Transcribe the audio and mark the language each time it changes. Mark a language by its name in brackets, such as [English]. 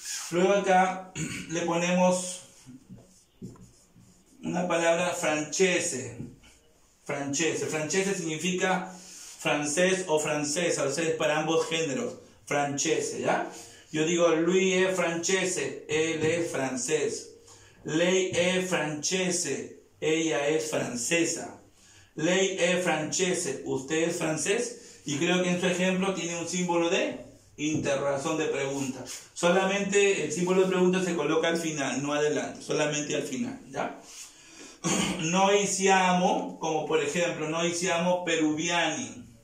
[Spanish] Luego acá le ponemos una palabra francese. Francese. Francese significa francés o francesa, o sea, es para ambos géneros, francese, ¿ya? Yo digo, [Italian] lui è francese, [Spanish] él es francés. [Italian] Lei è francese, [Spanish] ella es francesa. [Italian] Lei è francese, [Spanish] usted es francés. Y creo que en su ejemplo tiene un símbolo de interrogación de pregunta. Solamente el símbolo de pregunta se coloca al final, no adelante, solamente al final, ¿ya? Noi siamo, como por ejemplo, [Italian] noi siamo peruviani.